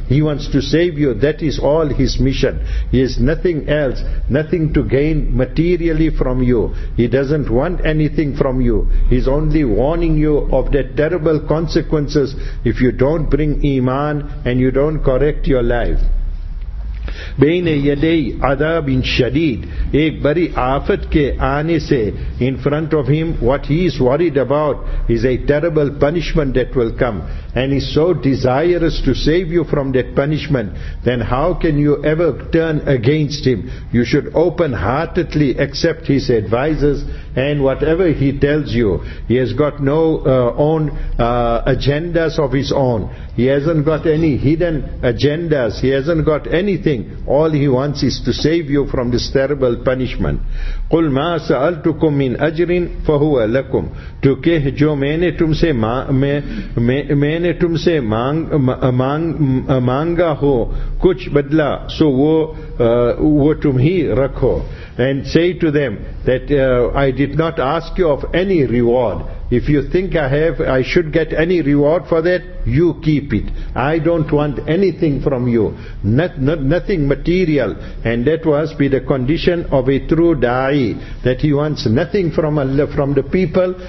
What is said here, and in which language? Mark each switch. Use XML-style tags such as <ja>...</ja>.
<en>He wants to save you. That is all his mission. He has nothing else, nothing to gain materially from you. He doesn't want anything from you. He's only warning you of the terrible consequences if you don't bring iman and you don't correct your life.</en> <ar>بین یدی عذاب شدید</ar> <ur>ایک بری آفت کے آنے سے.</ur> <en>In front of him, what he is worried about is a terrible punishment that will come, and he's so desirous to save you from that punishment. Then how can you ever turn against him? You should open heartedly accept his advices and whatever he tells you. He has got no agendas of his own. He hasn't got any hidden agendas. He hasn't got anything. All he wants is to save you from this terrible punishment.</en> <ar>قُلْ مَا سَأَلْتُكُمْ مِنْ أَجْرٍ فَهُوَ لَكُمْ</ar> <ur>تو کہ جو میں نے تم سے مانگا ہو کچھ بدلا سو وہ تم ہی رکھو.</ur> <en>And say to them that I did not ask you of any reward. If you think I should get any reward for that, You keep it. I don't want anything from you. Nothing material. And that was be the condition of a true da'i, that he wants nothing from Allah, from the people.</en>